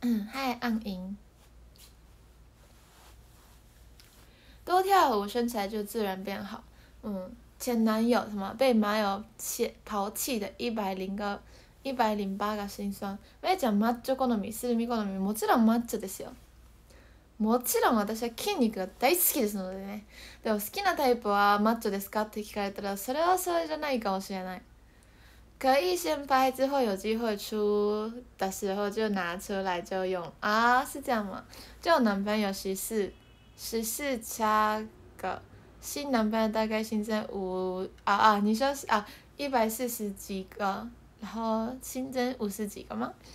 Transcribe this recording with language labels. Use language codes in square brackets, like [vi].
[zh] 嗨，暗影，多跳舞身材就自然变好。前男友什么被马友抛弃的108个心酸。 [ja] めちゃマッチョ好み、スルミ好み、もちろんマッチョですよ。もちろん私は筋肉が大好きですのでね。でも好きなタイプはマッチョですかって聞かれたら、それはそれじゃないかもしれない。 [zh] 可以先拍，之后有机会出的时候就拿出来就用啊，是这样吗？就男朋友十四加个新男朋友大概新增你说是140几个，然后新增50几个吗？